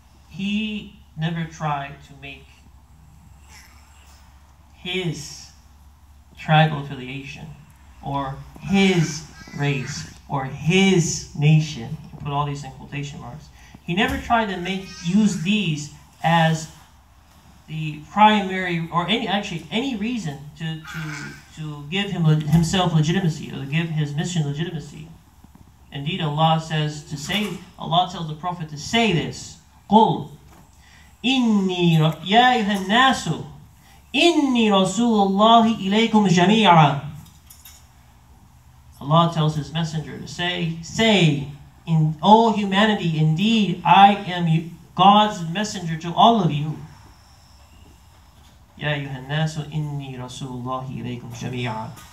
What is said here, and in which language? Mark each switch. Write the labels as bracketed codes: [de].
[en] He never tried to make his tribal affiliation or his race or his nation, put all these in quotation marks, he never tried to use these as the primary or any reason to give himself legitimacy or to give his mission legitimacy. Indeed, Allah tells the Prophet to say this, [ar] قُلْ إِنِّي يَا أَيُّهَا النَّاسُ إِنِّي رَسُولُ اللَّهِ إِلَيْكُمْ جَمِيعًا. [en] Allah tells His Messenger to say, in all humanity, indeed, I am God's Messenger to all of you. [ar] Ya ayyuha an-nasu inni rasulullahi ilaykum jami'an.